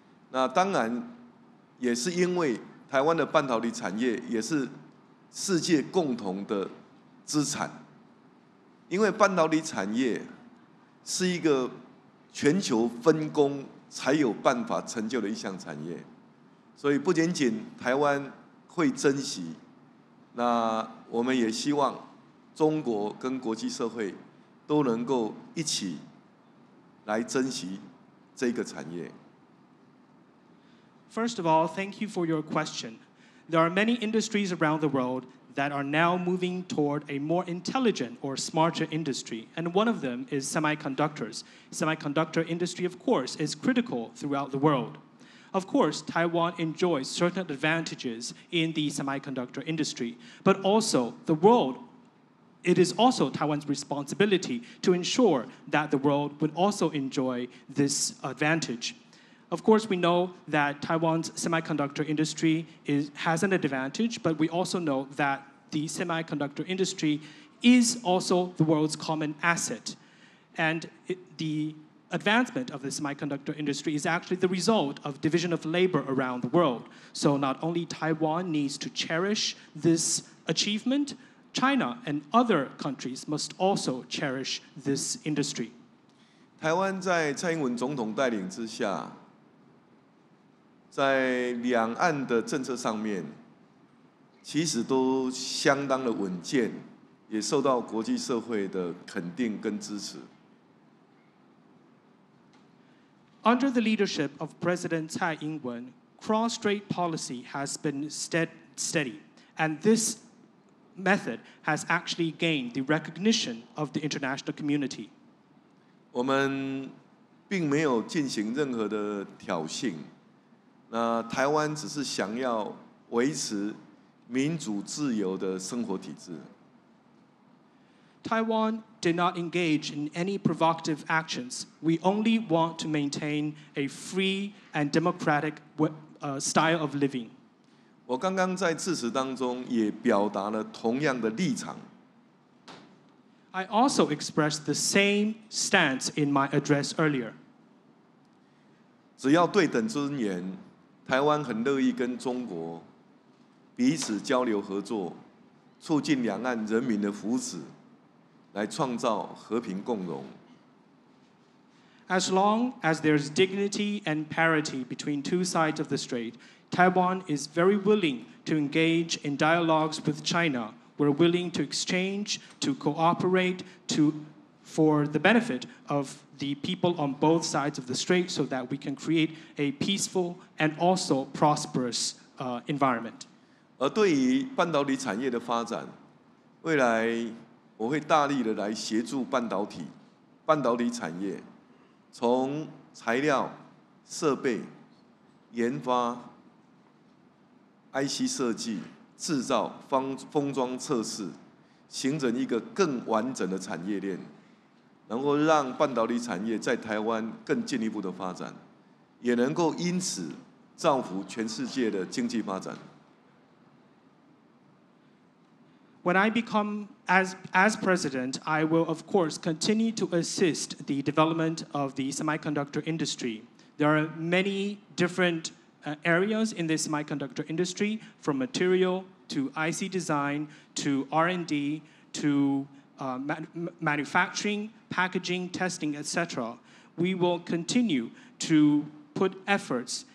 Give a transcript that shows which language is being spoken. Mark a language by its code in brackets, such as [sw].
[zh] 那当然也是因为台湾的半导体产业也是世界共同的资产，因为半导体产业是一个全球分工才有办法成就的一项产业，所以不仅仅台湾会珍惜，那我们也希望中国跟国际社会都能够一起来珍惜这个产业。 [en] First of all, thank you for your question. There are many industries around the world that are now moving toward a more intelligent or smarter industry, and one of them is semiconductors. Semiconductor industry, of course, is critical throughout the world. Of course, Taiwan enjoys certain advantages in the semiconductor industry, but also the world, it is also Taiwan's responsibility to ensure that the world would also enjoy this advantage. Of course, we know that Taiwan's semiconductor industry has an advantage, but we also know that the semiconductor industry is also the world's common asset. And the advancement of the semiconductor industry is actually the result of division of labor around the world. So not only Taiwan needs to cherish this achievement, China and other countries must also cherish this industry. [zh] 台湾在蔡英文总统带领之下，在两岸的政策上面其实都相当的稳健，也受到国际社会的肯定跟支持。 [en] Under the leadership of President Tsai Ing-wen, cross-strait policy has been steady, and this method has actually gained the recognition of the international community. [zh] 我们并没有进行任何的挑衅，那台湾只是想要维持民主自由的生活体制。 [en] Taiwan did not engage in any provocative actions. We only want to maintain a free and democratic style of living. [zh] 我刚刚在致辞当中也表达了同样的立场。 [en] I also expressed the same stance in my address earlier. [zh] 只要对等尊严，台湾很乐意跟中国彼此交流合作，促进两岸人民的福祉，来创造和平共荣。 [en] As long as there's dignity and parity between two sides of the strait, Taiwan is very willing to engage in dialogues with China. We're willing to exchange, to cooperate, for the benefit of the people on both sides of the strait so that we can create a peaceful and also prosperous environment. [zh] 而对于半导体产业的发展，未来我会大力的来协助半导体产业从材料、设备、研发、IC 设计、制造、封装测试，形成一个更完整的产业链，能够让半导体产业在台湾更进一步的发展，也能够因此造福全世界的经济发展。 [en] When I become as president, I will of course continue to assist the development of the semiconductor industry. There are many different areas in the semiconductor industry, from material to IC design to R&D to manufacturing, packaging, testing, etc. We will continue to put efforts